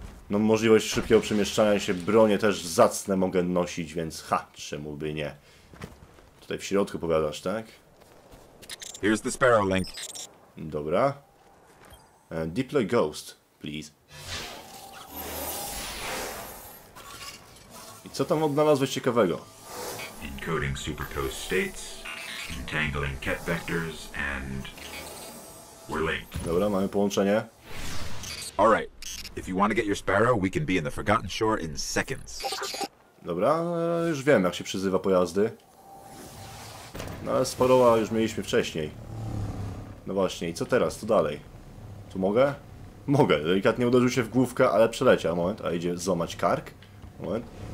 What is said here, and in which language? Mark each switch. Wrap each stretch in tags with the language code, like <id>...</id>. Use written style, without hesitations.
<pl>No możliwość szybkiego przemieszczania się, bronie też zacne mogę nosić, więc ha, czemu by nie. Tutaj w środku powiadasz, tak?</pl> <en>Here's the Sparrow Link.</en> <pl>Dobra.</pl> <en>Deploy Ghost, please.</en> <pl>I co tam odnalazłeś ciekawego?</pl> <en>Encoding supercoast states, entangling ket vectors and we're linked.</en> <pl>Dobra, mamy połączenie.</pl> <en>All right. If you want to get your Sparrow, we can be in the Forgotten Shore in seconds.</en> <pl>Dobra, już wiem, jak się przyzywa pojazdy. No ale Sparrowa już mieliśmy wcześniej. No właśnie, i co teraz? Co dalej? Tu mogę? Mogę. Delikatnie uderzył się w główkę, ale przeleciał. Moment, a idzie złamać kark? Moment.</pl>